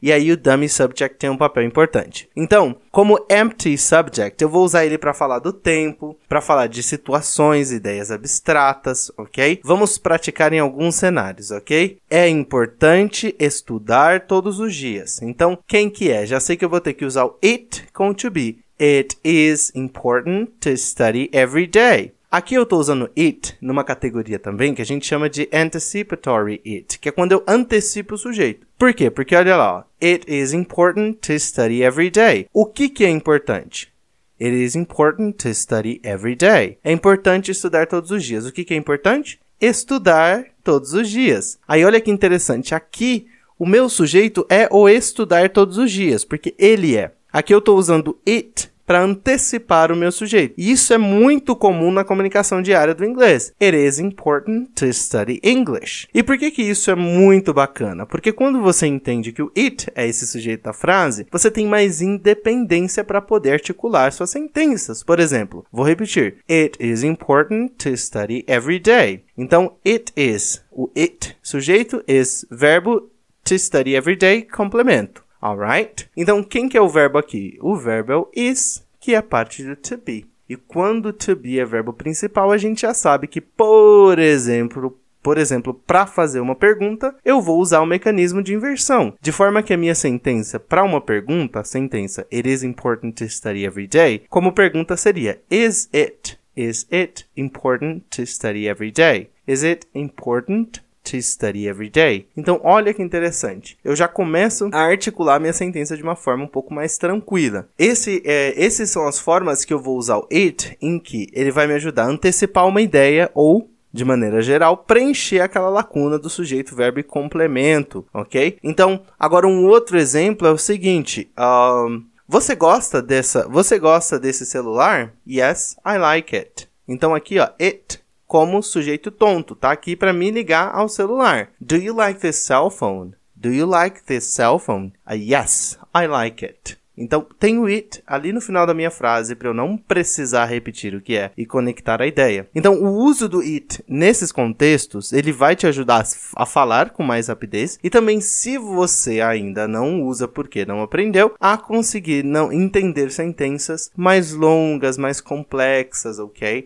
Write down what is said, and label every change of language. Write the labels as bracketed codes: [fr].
[pt] E aí, o dummy subject tem um papel importante. Então, como empty subject, eu vou usar ele para falar do tempo, para falar de situações, ideias abstratas, ok? Vamos praticar em alguns cenários, ok? É importante estudar todos os dias. Então, quem que é? Já sei que eu vou ter que usar o it com to be. [en] It is important to study every day. [pt] Aqui eu estou usando it numa categoria também que a gente chama de anticipatory it, que é quando eu antecipo o sujeito. Por quê? Porque olha lá, ó. [en] It is important to study every day. [pt] O que é importante? [en] It is important to study every day. [pt] É importante estudar todos os dias. O que é importante? Estudar todos os dias. Aí olha que interessante, aqui o meu sujeito é o estudar todos os dias, porque ele é. Aqui eu estou usando it para antecipar o meu sujeito. E isso é muito comum na comunicação diária do inglês. [en] It is important to study English. [pt] E por que isso é muito bacana? Porque quando você entende que o it é esse sujeito da frase, você tem mais independência para poder articular suas sentenças. Por exemplo, vou repetir. [en] It is important to study every day. [pt] Então, it is. O it, sujeito, is verbo, to study every day, complemento. Alright? Então, quem que é o verbo aqui? O verbo é o is, que é parte do to be. E quando to be é verbo principal, a gente já sabe que, por exemplo, para fazer uma pergunta, eu vou usar o mecanismo de inversão. De forma que a minha sentença para uma pergunta, a sentença [en] it is important to study every day, [pt] como pergunta seria [en] is it important to study every day? Is it important to study every day? [pt] Então, olha que interessante. Eu já começo a articular minha sentença de uma forma um pouco mais tranquila. Essas são as formas que eu vou usar o it, em que ele vai me ajudar a antecipar uma ideia ou, de maneira geral, preencher aquela lacuna do sujeito, verbo e complemento, ok? Então, agora um outro exemplo é o seguinte. Você gosta desse celular? [en] Yes, I like it. [pt] Então, aqui, ó, it, como sujeito tonto, tá aqui para me ligar ao celular. [en] Do you like this cell phone? Do you like this cell phone? Yes, I like it. [pt] Então, tem o it ali no final da minha frase para eu não precisar repetir o que é e conectar a ideia. Então, o uso do it nesses contextos, ele vai te ajudar a falar com mais rapidez e também, se você ainda não usa porque não aprendeu, a conseguir não entender sentenças mais longas, mais complexas, ok?